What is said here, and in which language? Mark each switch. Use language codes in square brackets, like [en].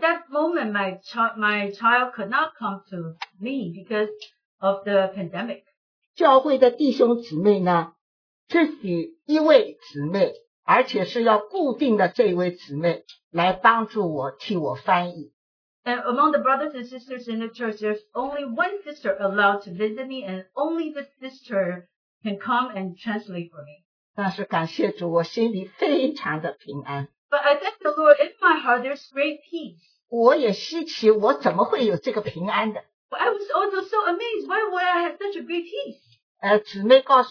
[en] that moment, my child could not come to me because of the pandemic. [zh] 教会的弟兄姊妹呢，自己一位姊妹。而且是要固定的这位姊妹来帮助我替我翻译。 [en] And among the brothers and sisters in the church, there's only one sister allowed to visit me, and only this sister can come and translate for me. [zh] 但是感谢主，我心里非常的平安。 [en] But I thank the Lord in my heart, there's great peace. [zh] 我也稀奇，我怎么会有这个平安的？ [en] But I was also so amazed, why would I have such a great peace?